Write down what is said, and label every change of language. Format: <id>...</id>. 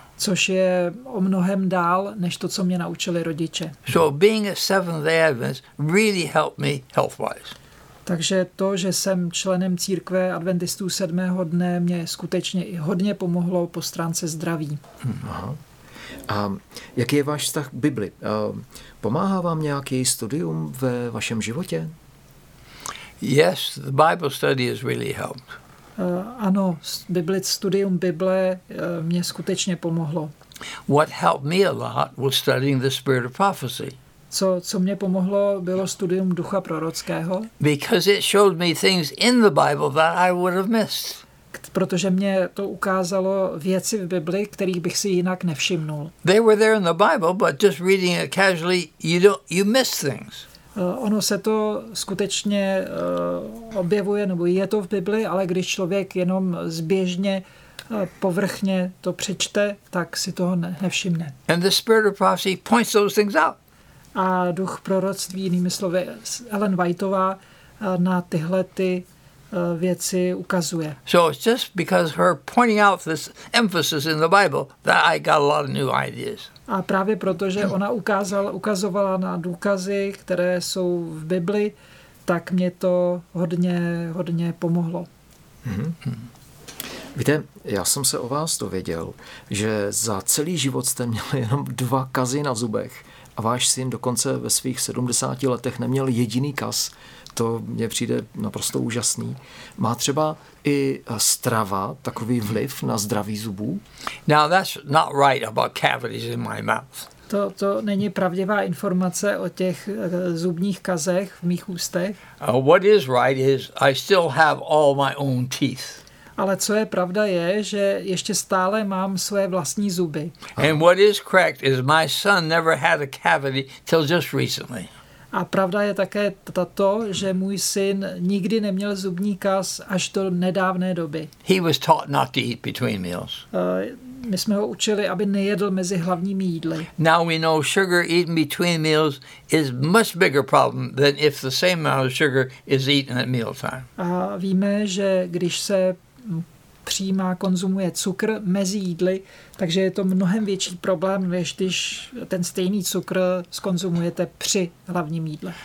<cs>Což je o mnohem dál, než to, co mě naučili rodiče.</cs> <en>So being a Seventh-day Adventist really helped me health-wise.</en> <cs>Takže to, že jsem členem církve Adventistů sedmého dne, mě skutečně i hodně pomohlo po stránce zdraví. Aha. A jaký je váš vztah k Bibli? Pomáhá vám nějaký studium ve vašem životě?</cs> <en>Yes, the Bible study has really helped.</en> <cs>Ano, studium Bible mě skutečně pomohlo.</cs> <en>What helped me a lot was studying the spirit of prophecy.</en> <cs>Co mě pomohlo, bylo studium ducha prorockého.</cs> <en>Because it showed me things in the Bible that I would have missed.</en> <cs>Protože mě to ukázalo věci v Bibli, kterých bych si jinak nevšimnul.</cs> <en>They were there in the Bible, but just reading it casually, you miss things.</en> <cs>Ono se to skutečně objevuje, nebo je to v Bibli, ale když člověk jenom zběžně povrchně to přečte, tak si toho nevšimne.</cs> <en>And the spirit of prophecy points those things out.</en> <cs>A duch proroctví, jinými slovy, Ellen Whiteová na tyhle ty věci ukazuje.</cs> <en>So it's just because her pointing out this emphasis in the Bible that I got a lot of new ideas.</en> <cs>A právě proto, že ona ukazovala na důkazy, které jsou v Bibli, tak mě to hodně pomohlo. Mm-hmm. Víte, já jsem se o vás dověděl, že za celý život jste měl jenom dva kazy na zubech. A váš syn dokonce ve svých 70 letech neměl jediný kaz. To mně přijde naprosto úžasný. Má třeba i strava takový vliv na zdraví zubů?</cs> <en>Now that's not right about cavities in my mouth.</en> <cs>To není pravdivá informace o těch zubních kazech v mých ústech.</cs> <en>What is right is I still have all my own teeth.</en> <cs>Ale co je pravda je, že ještě stále mám svoje vlastní zuby.</cs> <en>And what is correct is my son never had a cavity till just recently.</en> <cs>A pravda je také to, že můj syn nikdy neměl zubní kaz až do nedávné doby.</cs> <en>He was taught not to eat between meals.</en> <cs>My jsme ho učili, aby nejedl mezi hlavními jídly.</cs> <en>Now we know sugar eaten between meals is much bigger problem than if the same amount of sugar is eaten at meal time.</en> <cs>A víme, že když se přijímá, konzumuje cukr mezi jídly, takže je to mnohem větší problém, než když ten stejný cukr skonzumujete při hlavním jídle.</cs>